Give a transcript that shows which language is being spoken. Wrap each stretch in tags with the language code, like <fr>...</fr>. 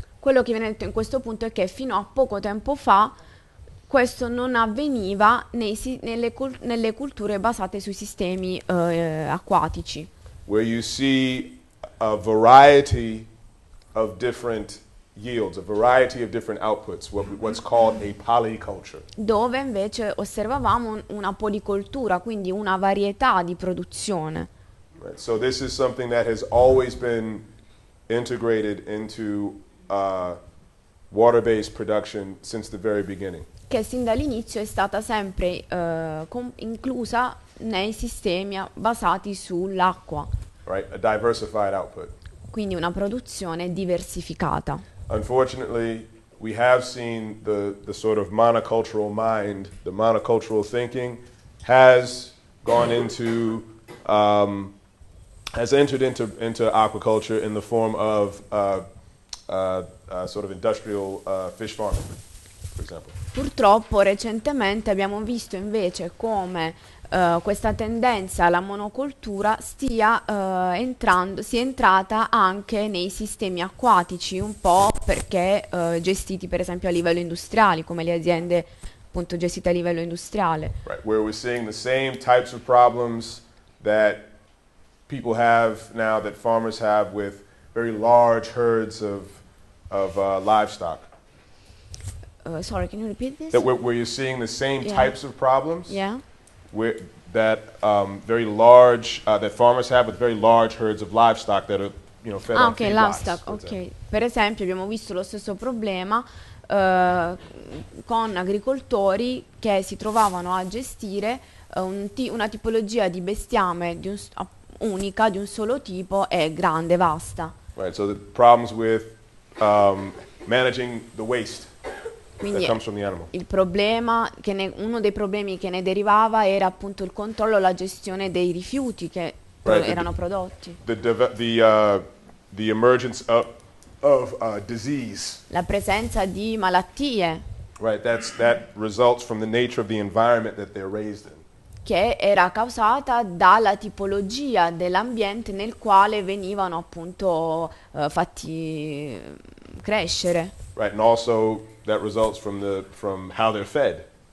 <it>Quello che viene detto in questo punto è che fino a poco tempo fa questo non avveniva nelle culture basate sui sistemi acquatici.</it> <en>Where you see a variety of different yields, a variety of different outputs, what's called a polyculture.</en> <it>Dove invece osservavamo una policoltura, quindi una varietà di produzione.</it> <en>Right. So this is something that has always been integrated into water-based production since the very beginning.</en> <it>Che sin dall'inizio è stata sempre inclusa nei sistemi basati sull'acqua.</it> <en>Right, a diversified output.</en> <it>Quindi una produzione diversificata.</it> <en>Unfortunately, we have seen the sort of monocultural mind, the monocultural thinking, has gone into has entered into aquaculture in the form of sort of industrial fish farming, for example.</en> <it>Purtroppo recentemente abbiamo visto invece come questa tendenza alla monocoltura sia entrata anche nei sistemi acquatici, un po' perché gestiti per esempio a livello industriale, come le aziende appunto gestite a livello industriale.</it> <en>Right, where we're seeing the same types of problems that people have now, that farmers have with very large herds of livestock. Sorry, can you repeat this? That where you're seeing the same types of problems. Yeah. That farmers have with very large herds of livestock that are, you know, fed on feedlots. Ah, okay, livestock. Okay.</en> <it>Per esempio, abbiamo visto lo stesso problema con agricoltori che si trovavano a gestire una tipologia di bestiame unica, di un solo tipo, è grande, vasta.</it> <en>Right. So the problems with managing the waste.</en> <it>Quindi</it> <en>that comes from the animal.</en> <it>Il problema che uno dei problemi che ne derivava era appunto il controllo, la gestione dei rifiuti che erano prodotti.</it> <en>The emergence of disease.</en> <it>La presenza di malattie.</it> <en>Right, that results from the nature of the environment that they're raised in.</en> <it>Che era causata dalla tipologia dell'ambiente nel quale venivano appunto fatti crescere.</it> <en>Right, and also that results from how they're fed.</en>